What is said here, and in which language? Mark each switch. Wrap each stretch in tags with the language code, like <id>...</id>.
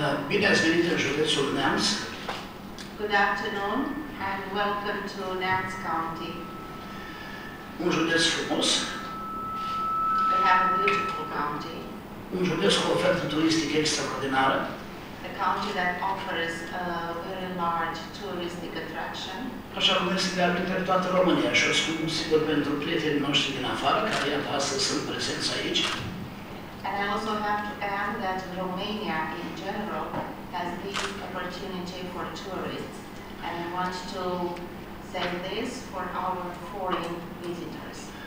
<ro>Bine ați venit în județul Neamț.</ro> <en>Good afternoon. And welcome to Neamț County.</en> <ro>Un județ frumos.</ro> <en>We have a beautiful county.</en> <ro>Un județ cu ofertă turistică extraordinară.</ro> <en>A county that offers a very large touristic attraction.</en> <ro>Așa cum este de altfel toată România și o spun sigur pentru prietenii noștri din afară, care iată astăzi sunt prezenți aici.</ro> <en>And I also have to add that Romania in general has this opportunity for tourists. And I want to say this for our foreign visitors.</en>